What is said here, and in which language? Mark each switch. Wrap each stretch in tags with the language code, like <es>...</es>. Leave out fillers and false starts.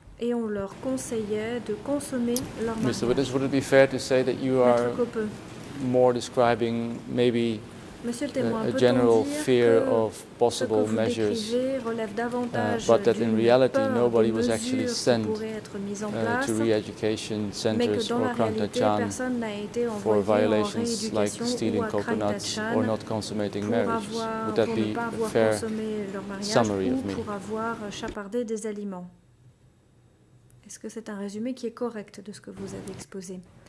<fr>Et on leur conseillait de consommer leur mariage.</fr> <en>Mr. Witness, would it be fair to say that you are more describing maybe a general fear of possible measures, but that in reality nobody was actually sent to re-education centers or Kangtachan for violations like stealing coconuts or not consummating marriage? Would that be a fair summary of me?</en> <fr>Est-ce que c'est un résumé qui est correct de ce que vous avez exposé?</fr>